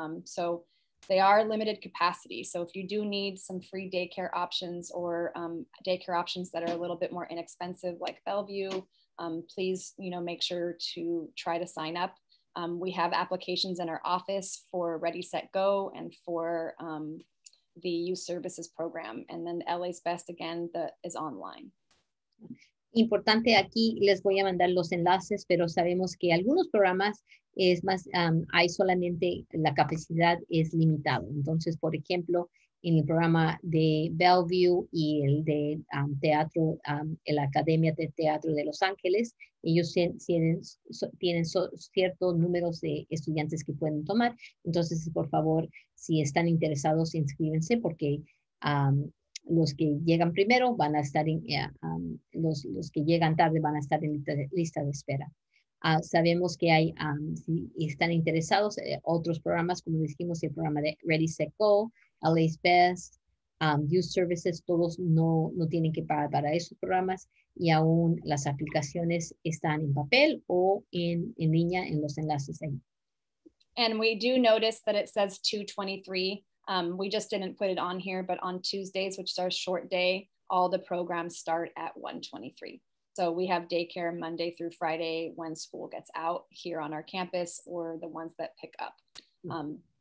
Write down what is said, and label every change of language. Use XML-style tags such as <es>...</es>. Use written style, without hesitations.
<en>So they are limited capacity. So if you do need some free daycare options or daycare options that are a little bit more inexpensive like Bellevue, please, you know, make sure to try to sign up. We have applications in our office for Ready, Set, Go and for the Youth Services Program. And then LA's Best, again, is online.</en> <es>Importante aquí, les voy a mandar los enlaces, pero sabemos que algunos programas es más, hay solamente la capacidad es limitada. Entonces, por ejemplo, en el programa de Bellevue y el de teatro, la Academia de Teatro de Los Ángeles, ellos tienen ciertos números de estudiantes que pueden tomar. Entonces, por favor, si están interesados, inscríbense porque los que llegan primero van a estar, los que llegan tarde van a estar en lista de espera. Sabemos que hay, si están interesados, otros programas, como dijimos, el programa de Ready, Set, Go, LA's Best, Youth Services, todos no tienen que pagar para esos programas y aún las aplicaciones están en papel o en línea en los enlaces ahí.</es> <en>And we do notice that it says 2:23. We just didn't put it on here, but on Tuesdays, which is our short day, all the programs start at 1:23. So we have daycare Monday through Friday when school gets out here on our campus or the ones that pick up.</en>